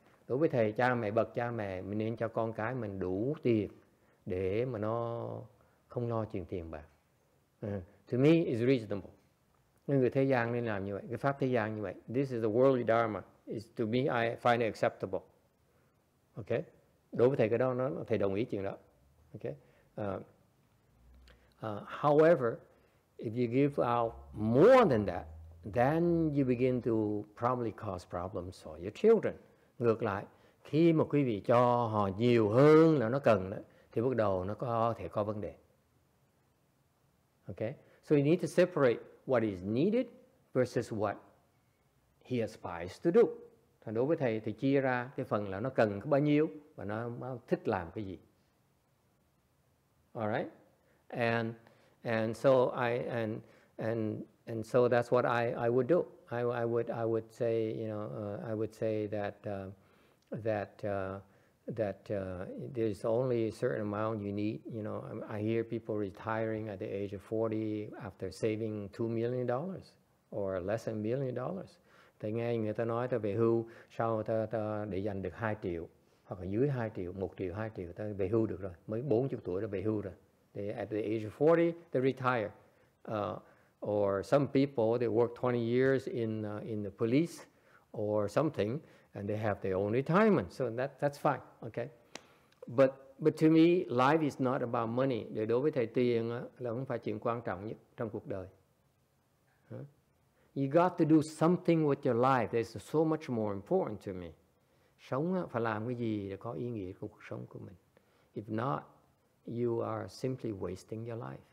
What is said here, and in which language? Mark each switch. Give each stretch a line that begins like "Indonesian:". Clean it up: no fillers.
Vietnamese: Đối với thầy, cha mẹ, bậc cha mẹ, mình nên cho con cái mình đủ tiền để mà nó không lo chuyện tiền bạc.
English: To me, it's reasonable.
Vietnamese: Người thế gian nên làm như vậy, cái pháp thế gian như vậy.
English: This is the worldly dharma. It's, to me, I find it acceptable. Okay?
Vietnamese: Đối với thầy cái đó, thầy đồng ý chuyện đó.
English: Okay. However, if you give out more than that, then you begin to probably cause problems for your children.
Vietnamese: Ngược lại, khi mà quý vị cho họ nhiều hơn là nó cần đó, thì bắt đầu nó có thể có vấn đề. Okay.
English: So you need to separate what is needed versus what he aspires to do.
Vietnamese: Thành đối với thầy thì chia ra cái phần là nó cần có bao nhiêu và nó thích làm cái gì.
English: All right, and so that's what I would do. I would say, you know, I would say that there's only a certain amount you need. You know, I hear people retiring at the age of 40 after saving $2 million or less than $1 million.
Vietnamese: Thầy nghe người ta nói tới về hưu sau ta để dành được 2 triệu hoặc là dưới 2 triệu, 1 triệu, 2 triệu ta về hưu được rồi, mới 40 tuổi đã về hưu rồi.
English: They, at the age of 40, they retire. Or some people, they work 20 years in the police or something, and they have their own retirement. So that's fine, okay? But to me, life is not about money.
Vietnamese: Để đối với thầy, tiền là không phải chuyện quan trọng nhất trong cuộc đời.
English: You got to do something with your life. That's so much more important to me.
Vietnamese: Sống phải làm cái gì để có ý nghĩa của cuộc sống của mình.
English: If not, you are simply wasting your life.